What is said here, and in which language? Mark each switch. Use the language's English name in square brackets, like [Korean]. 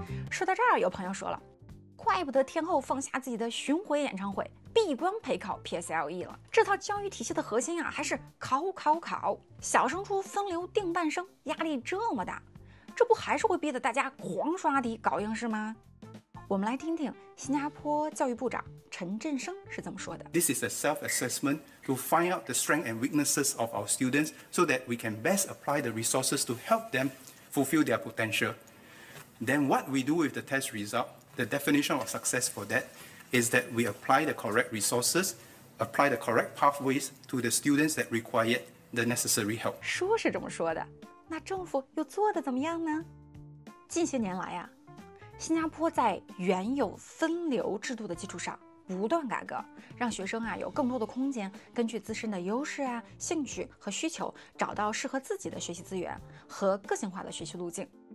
[Chinese] 说到这儿，有朋友说了，怪不得天后放下自己的巡回演唱会，闭关陪考 PSLE 了。这套教育体系的核心啊，还是考考考，小升初分流定半生，压力这么大，这不还是会逼得大家狂刷题搞应试吗？我们来听听新加坡教育部长陈振声是怎么说的。 [English] This is a self-assessment to find out the strengths and weaknesses of our students so that we can best apply the resources to help them fulfill their potential. Then what we do with the test result, the definition of success for that is that we apply the correct resources, apply the correct pathways to the students that require the necessary help. [Chinese] 说是这么说的，那政府又做得怎么样呢？近些年来啊，新加坡在原有分流制度的基础上不断改革，让学生啊有更多的空间，根据自身的优势啊、兴趣和需求，找到适合自己的学习资源和个性化的学习路径。